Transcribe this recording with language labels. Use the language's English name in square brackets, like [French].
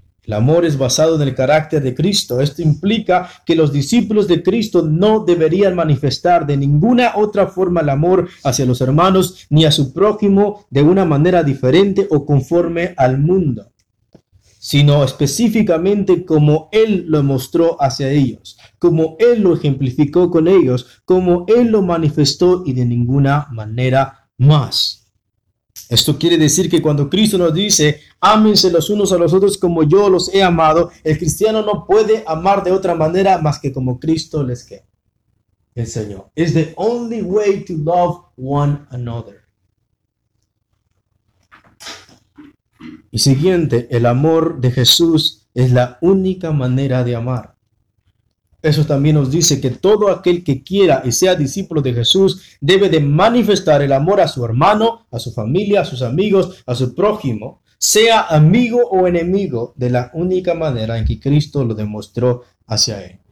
[Spanish] El amor es basado en el carácter de Cristo. Esto implica que los discípulos de Cristo no deberían manifestar de ninguna otra forma el amor hacia los hermanos ni a su prójimo de una manera diferente o conforme al mundo, sino específicamente como Él lo mostró hacia ellos, como Él lo ejemplificó con ellos, como Él lo manifestó y de ninguna manera más. Esto quiere decir que cuando Cristo nos dice, ámense los unos a los otros como yo los he amado, el cristiano no puede amar de otra manera más que como Cristo les que enseñó. [English] It's the only way to love one another. [Spanish] Y siguiente, el amor de Jesús es la única manera de amar. Eso también nos dice que todo aquel que quiera y sea discípulo de Jesús debe de manifestar el amor a su hermano, a su familia, a sus amigos, a su prójimo, sea amigo o enemigo, de la única manera en que Cristo lo demostró hacia él.